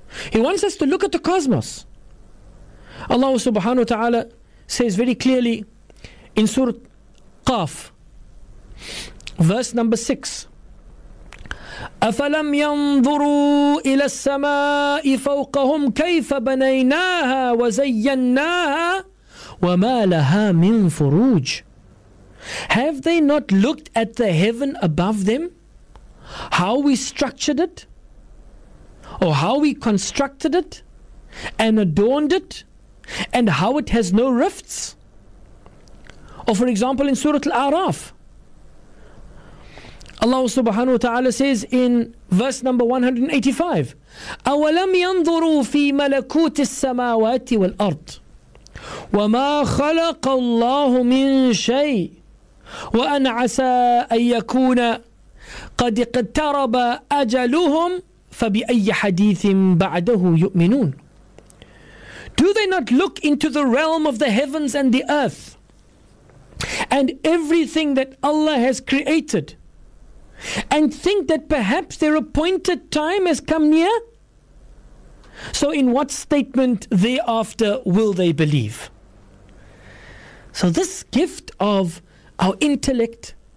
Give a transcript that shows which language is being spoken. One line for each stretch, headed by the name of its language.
English: He wants us to look at the cosmos. Allah subhanahu wa ta'ala says very clearly in Surah Qaf, verse number 6,
Arabic: أَفَلَمْ يَنْظُرُوا إِلَى السَّمَاءِ فَوْقَهُمْ كَيْفَ بَنَيْنَاهَا وَزَيَّنَّاهَا وَمَا لَهَا مِنْ فُرُوجٍ.
English: Have they not looked at the heaven above them? How we structured it? Or how we constructed it and adorned it? And how it has no rifts? Or for example, in Surah Al-A'raf, Allah subhanahu wa ta'ala says in verse number 185,
Arabic: أَوَلَمْ يَنْظُرُوا فِي مَلَكُوتِ السَّمَاوَاتِ وَالْأَرْضِ وَمَا خَلَقَ اللَّهُ مِنْ شَيْءٍ وَأَنْ عَسَىٰ أَنْ يَكُونَ قَدْ اقْتَرَبَ أَجَلُهُمْ فَبِأَيِّ حَدِيثٍ بَعْدَهُ يُؤْمِنُونَ.
English: Do they not look into the realm of the heavens and the earth and everything that Allah has created and think that perhaps their appointed time has come near? So in what statement thereafter will they believe? So this gift of our intellect,